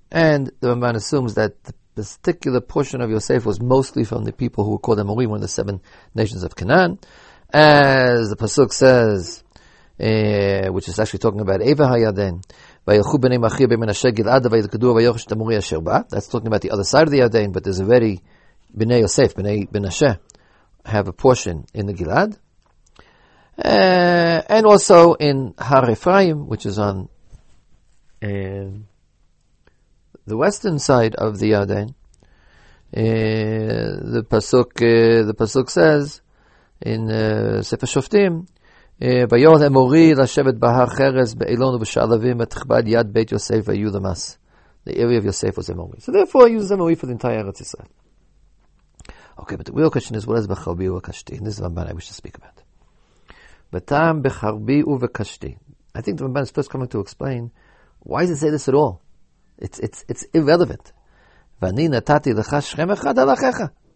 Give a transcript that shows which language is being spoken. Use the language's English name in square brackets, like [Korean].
[English] And the Ramban assumes that the particular portion of Yosef was mostly from the people who were called Emori, one of the seven nations of Canaan. As the Pasuk says, which is actually talking about Eva HaYarden, [Hebrew] וילכו בני מחיר במנשה גלעד וילכדו ויוחש את המורי אשר בא. [English] That's talking about the other side of the Yarden, but there's already בני יוסף, בני מנשה, have a portion in the גלעד. And also in הר אפרים, which is on the western side of the Yarden, the pasuk says in Sefer Shoftim, [Hebrew] ויורד אמורי לשבת בהר חרס באילון ובשלבים את חבד יד בית יוסף ויהיו למס. [English] The area of Yosef was אמורי. So therefore he uses אמורי for the entire Eretz Yisrael. Okay, but the real question is, what is בחרבי ובקשתי? And this is the Ramban I wish to speak about. [Hebrew] בטעם בחרבי ובקשתי. [English] I think the Ramban is first coming to explain, why does it say this at all? It's irrelevant. [Hebrew] ואני נתתי לך שכם אחד על אחיך.